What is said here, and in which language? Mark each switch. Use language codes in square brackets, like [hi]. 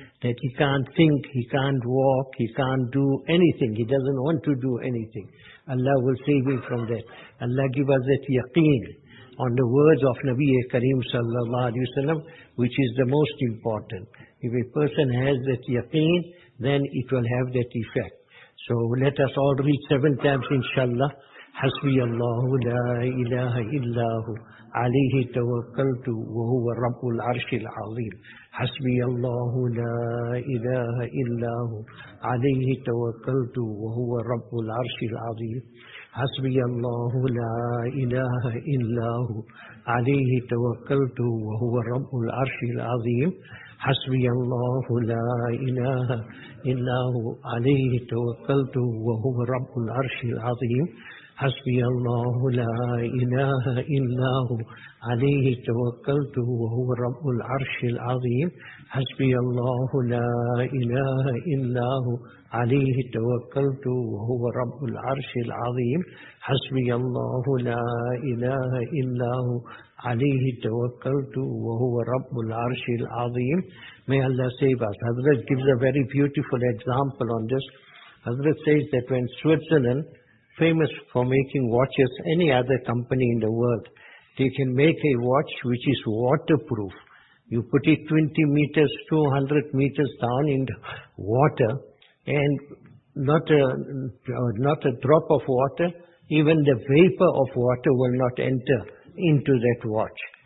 [en] That he can't think, he can't walk, he can't do anything, he doesn't want to do anything. Allah will save him from that. Allah give us that yaqeen on the words of Nabi Kareem sallallahu alayhi wa sallam, which is the most important. If a person has that yaqeen, then it will have that effect. So let us all read 7 times inshallah. [ar] حسبي الله لا إله إلا هو عليه توكلت وهو رب العرش العظيم حسبي الله لا إله إلا هو عليه توكلت وهو رب العرش العظيم حسبي الله لا إله إلا هو عليه توكلت وهو رب العرش العظيم حسبي الله لا إله إلا هو عليه توكلت وهو رب العرش العظيم حسبي الله لا إله إلا هو عليه توكلت وهو رب العرش العظيم حسبي الله لا إله إلا هو عليه توكلت وهو رب العرش العظيم حسبي الله لا إله إلا هو عليه توكلت وهو رب العرش العظيم. [en] May Allah save us. Hazrat gives a very beautiful example on this. Hazrat says that when Switzerland, famous for making watches, any other company in the world, they can make a watch which is waterproof. You put it 20 meters, 200 meters down in the water, and not a drop of water, even the vapor of water will not enter into that watch.